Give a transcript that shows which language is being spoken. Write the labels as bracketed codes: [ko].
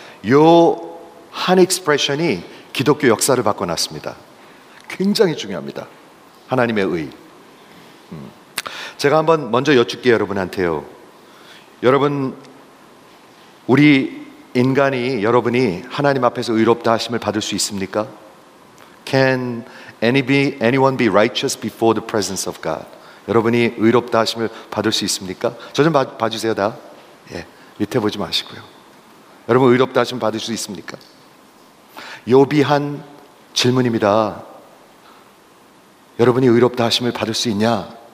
[ko] 요 한 익스프레션이 기독교 역사를 바꿔놨습니다. 굉장히 중요합니다. 하나님의 의. 제가 한번 먼저 여쭙게 여러분한테요. 여러분, 우리 인간이 여러분이 하나님 앞에서 의롭다 하심을 받을 수 있습니까? [en] Can anyone be righteous before the presence of God? [ko] 여러분이 의롭다 하심을 받을 수 있습니까? 저 좀 봐주세요 다. 예, 밑에 보지 마시고요. 여러분 의롭다 하심을 받을 수 있습니까? 요비한 질문입니다. 여러분이 의롭다 하심을 받을 수 있냐?